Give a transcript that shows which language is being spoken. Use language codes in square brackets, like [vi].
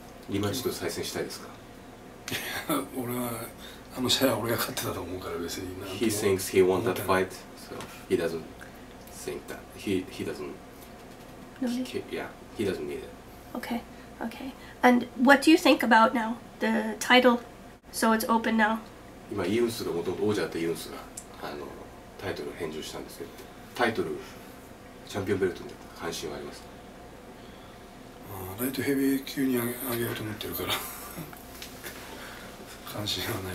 [ja] リマッチと再戦したいですか？いや、俺はあの試合は俺が勝ってたと思うから別に。 [en] He thinks he won that fight, so he doesn't think that he doesn't. He doesn't need it. Okay. And what do you think about now the title? So it's open now. [ja] 今イウンスが元々王者だったイウンスがあのタイトルを返上したんですけど、タイトルチャンピオンベルトに関心はありますか？ライトヘビー級に上げようと思ってるから関心はない。